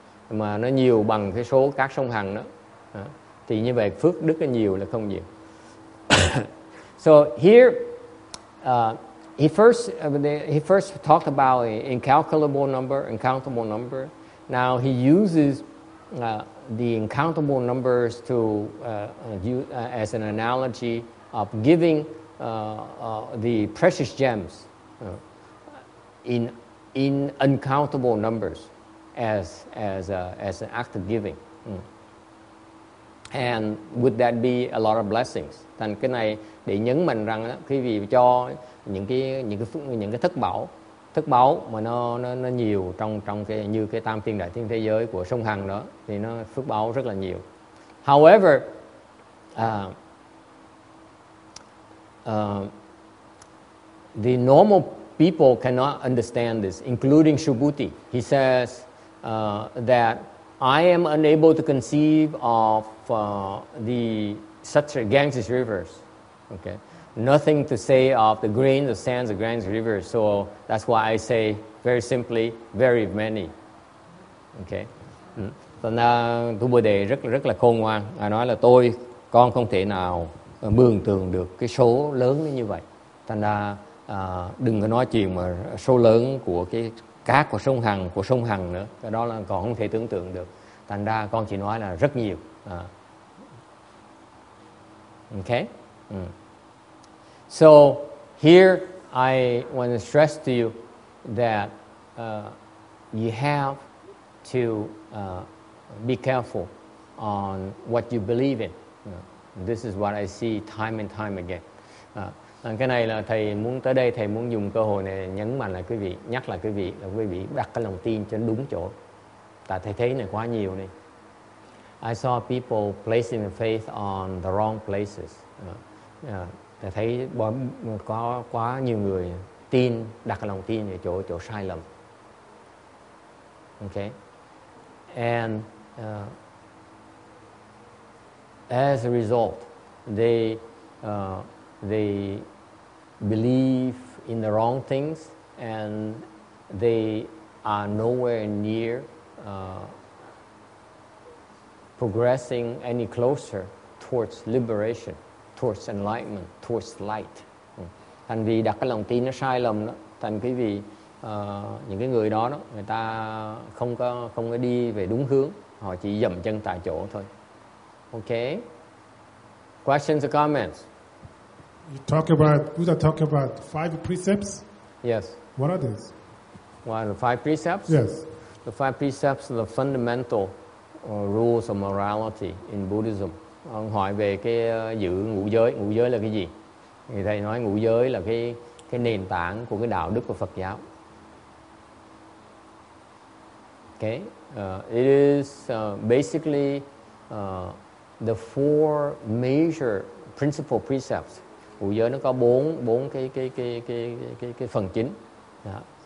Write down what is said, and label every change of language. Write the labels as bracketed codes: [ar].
[vi] Mà nó nhiều bằng cái số các sông Hằng đó. Thì như vậy phước đức nó nhiều là không nhiều. [en] So here he first talked about an incalculable number. Now he uses the incountable numbers to as an analogy of giving the precious gems in uncountable numbers as an act of giving. And would that be a lot of blessings? [vi] Thành cái này để nhấn mạnh rằng khi vì cho những cái thất báu mà nó nhiều trong cái như cái tam thiên đại thiên thế giới của sông Hằng đó thì nó phước báu rất là nhiều. [en] However, the normal people cannot understand this, including Subhuti. He says that I am unable to conceive of the such Ganges rivers. Okay. Nothing to say of the grains of sands of Ganges rivers. So that's why I say very simply, very many. Okay. [vi] Thành ra Tu Bồ Đề rất là khôn ngoan. Ngài nói là con không thể nào mường tượng được cái số lớn như vậy. Thành ra đừng có nói chuyện mà số lớn của cái cát của sông Hằng nữa. Cái đó là còn không thể tưởng tượng được. Thành ra con chỉ nói là rất nhiều. Okay. [en] So here I want to stress to you that you have to be careful on what you believe in. This is what I see time and time again. [vi] Cái này là thầy muốn tới đây, thầy muốn dùng cơ hội này nhấn mạnh lại quý vị, nhắc lại quý vị là quý vị đặt cái lòng tin trên đúng chỗ. Tại thầy thấy này quá nhiều này. [en] I saw people placing faith on the wrong places. [vi] Thầy thấy có quá nhiều người tin, đặt lòng tin ở chỗ sai lầm. [en] Okay. And as a result, they believe in the wrong things and they are nowhere near progressing any closer towards liberation, towards enlightenment, towards light. [vi] Thành vì đặt cái lòng tin nó sai lầm đó, thành quý vị những cái người đó, người ta không có đi về đúng hướng, họ chỉ dậm chân tại chỗ thôi. [en] Okay. Questions or comments? Buddha talk about five precepts. Yes. What are these? What are the five precepts? Yes. The five precepts are the fundamental rules of morality in Buddhism. [vi] Ông hỏi về cái giữ ngũ giới là cái gì? Thì thầy nói ngũ giới là cái nền tảng của cái đạo đức của Phật giáo. [en] Okay, it is basically the four major principal precepts. [vi] Ngũ giới nó có bốn cái phần chính. Yeah.